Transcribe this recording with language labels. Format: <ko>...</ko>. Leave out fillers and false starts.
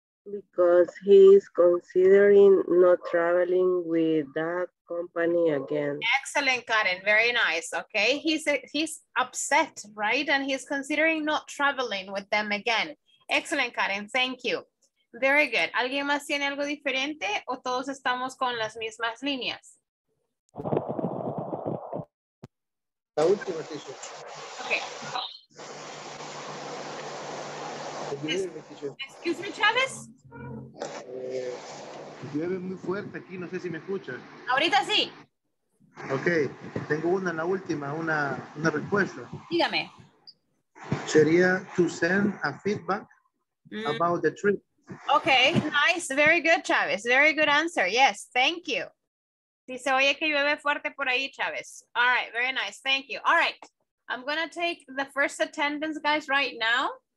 <en>Because he is considering not traveling with that company again. Excellent, Karen. Very nice. Okay. He's upset, right? And he's considering not traveling with them again. Excellent, Karen. Thank you. Very good.</en> <es>¿Alguien más tiene algo diferente o todos estamos con las mismas líneas? La última, teacher.</es> <en>Okay. Excuse me, Chavez.</en> <es>Llueve muy fuerte aquí, no sé si me escuchas. Ahorita sí. Okay, tengo una en la última, una respuesta. Dígame. Sería</es> <en>to send a feedback about the trip. Okay, nice, very good, Chavez. Very good answer, yes, thank you.</en> <es>Dice, oye, que llueve fuerte por ahí, Chávez.</es> <en>All right, very nice. Thank you. All right. I'm going to take the first attendance, guys, right now.</en>